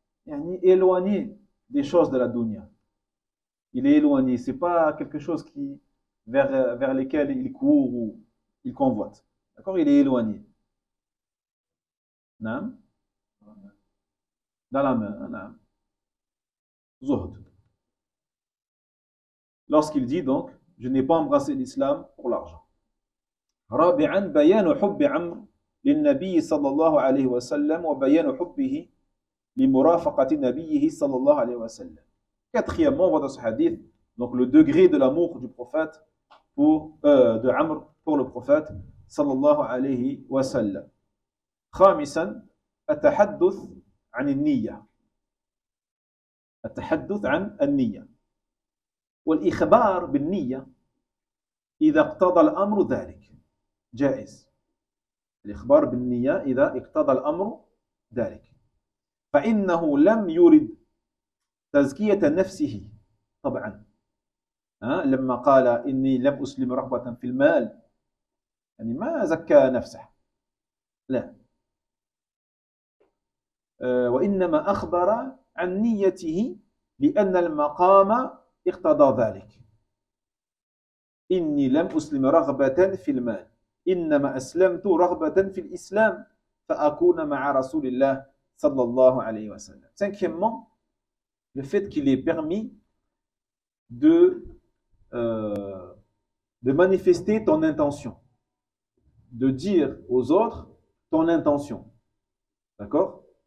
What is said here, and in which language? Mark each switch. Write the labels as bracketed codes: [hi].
[fr] éloigné des choses de la dunya. Il est éloigné, c'est pas quelque chose qui vers lesquels il court ou il convoite. D'accord? Il est éloigné. Nam. Dans la main, nam. Zuhd. Lorsqu'il dit donc, je n'ai pas embrassé l'islam pour l'argent. [ar] Rabi'an bayanu hubbi Amr للنبي صلى الله عليه وسلم وبيان حبه لمرافقة نبيه صلى الله عليه وسلم. [fr] Quatrièmement, on voit dans ce hadith, donc le degré de l'amour du prophète pour de Amr pour le prophète صلى الله عليه وسلم. [ar] خامسا التحدث عن النية. التحدث عن النية. والإخبار بالنية إذا اقتضى الأمر ذلك جائز. الإخبار بالنية إذا اقتضى الأمر ذلك فإنه لم يرد تزكية نفسه طبعا لما قال إني لم أسلم رغبة في المال يعني ما زكى نفسه لا وإنما أخبر عن نيته لأن المقام اقتضى ذلك إني لم أسلم رغبة في المال إنما أسلمت رغبة في الإسلام فأكون مع رسول الله صلى الله عليه وسلم. [fr] Cinquièmement, le fait qu'il est permis de manifester ton intention, de dire aux autres ton intention. D'accord?